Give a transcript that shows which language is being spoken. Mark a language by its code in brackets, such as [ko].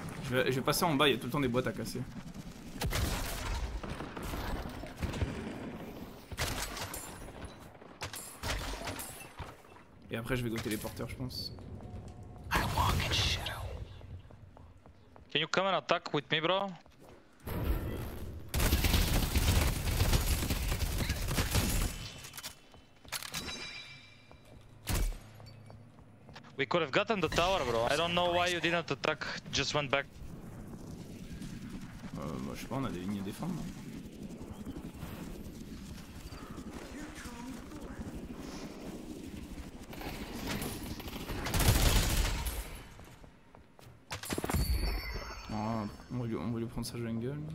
[fr] Je vais passer en bas, il y a tout le temps des boîtes à casser. Et après je vais go téléporteur, je pense. [en] I walk in shadow. Can you come and attack with me, bro? We could have gotten the tower, bro. I don't know why you didn't attack, just went back. [fr] Moi, je sais pas, on a des lignes à défendre. Non? Oh, on va lui prendre sa jungle.